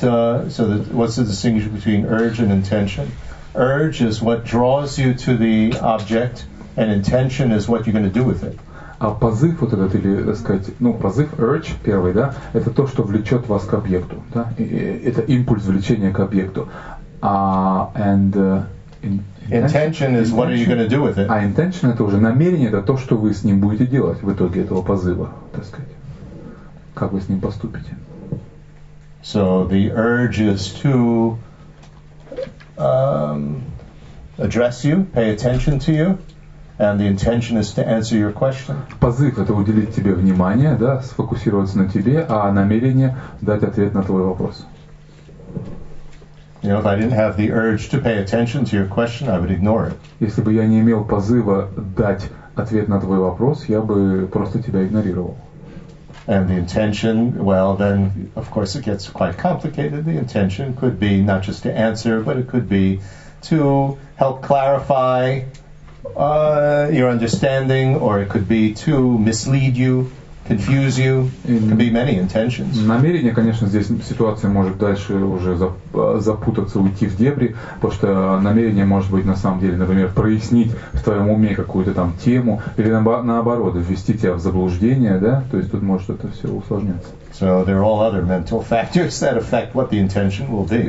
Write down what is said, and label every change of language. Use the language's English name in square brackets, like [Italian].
[English] So what's the distinction between urge and intention? Urge is what draws you to the object, and intention is what you're going to do with it. [Russian] А позыв вот этот, или, так сказать, ну, позыв, urge, первый, да, это то, что влечет вас к объекту, да? Это импульс влечения к объекту. [English] And... Intention is what are you going to do with it? [Russian] А intention это уже намерение, это то, что вы с ним будете делать в итоге этого позыва, так сказать. Как вы с ним поступите? [English] So the urge is to address you, pay attention to you, and the intention is to answer your question. [Russian] Позыв это уделить тебе внимание, да, сфокусироваться на тебе, а намерение дать ответ на твой вопрос. [English] You know, if I didn't have the urge to pay attention to your question, I would ignore it. [Russian] Если бы я не имел позыва дать ответ на твой вопрос, я бы просто тебя игнорировал. [English] And the intention, well, then, of course, it gets quite complicated. The intention could be not just to answer, but it could be to help clarify your understanding, or it could be to mislead you. confuse you. It can be many intentions. [Russian] Намерение, конечно, здесь ситуация может дальше уже запутаться, уйти в дебри, потому что намерение может быть на самом деле, например, прояснить в твоем уме какую-то там тему, или наоборот, ввести тебя в заблуждение, да? То есть тут может это все усложняться. [English] So there are all other mental factors that affect what the intention will be.